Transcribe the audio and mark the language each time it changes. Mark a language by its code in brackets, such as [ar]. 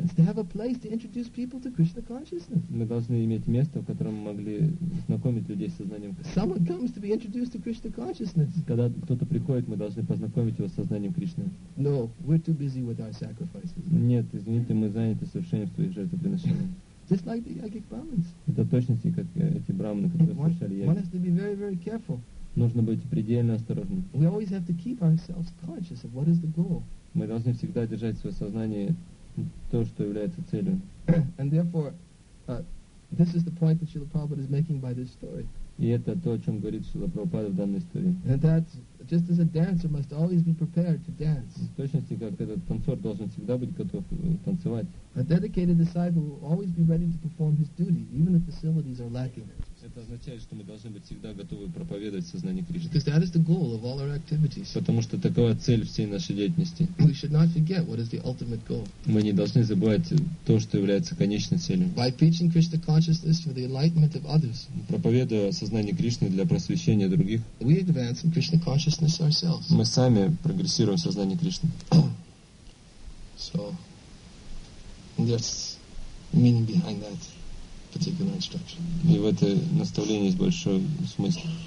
[en] It's to have a place to introduce people to Krishna consciousness. [ru] Мы должны иметь место, в котором мы могли знакомить людей с сознанием Кришны. [en] Someone comes to be introduced to Krishna consciousness. [ru] Когда кто-то приходит, мы должны познакомить его с сознанием Кришны. [en] No, we're too busy with our sacrifices. [ru] Нет, извините, мы заняты совершением своих жертвоприношений. [en] Just like the yogic brahmins. [ru] Это точности, как эти брахманы, которые совершали яги. [en] One has to be very, very careful. [ru] Нужно быть предельно осторожным. [en] We always have to keep ourselves conscious of what is the goal. [ru] Мы должны всегда держать в своем сознании то, что является целью. [en] And therefore, this is the point that Srila Prabhupada is making by this story. [ru] И это то, о чем говорит Шрила Прабхупада в данной истории. [en] And that, just as a dancer must always be prepared to dance. [ru] В точности, как этот танцор должен всегда быть готов танцевать. [en] A dedicated disciple will always be ready to perform his duty, even if facilities are lacking. [ru] Это означает, что мы должны быть всегда готовы проповедовать сознание Кришны. [en] Because that is the goal of all our activities. [ru] Потому что такова цель всей нашей деятельности. [en] We should not forget what is the ultimate goal. [ru] Мы не должны забывать то, что является конечной целью. [en] By preaching Krishna consciousness for the enlightenment of others. [ru] Проповедуя сознание Кришны для просвещения других. [en] We advance in Krishna consciousness ourselves. [ru] Мы сами прогрессируем в сознании Кришны. [en] So, there's meaning behind that. Particular instruction. [ru] И в этой наставлении есть большой смысл.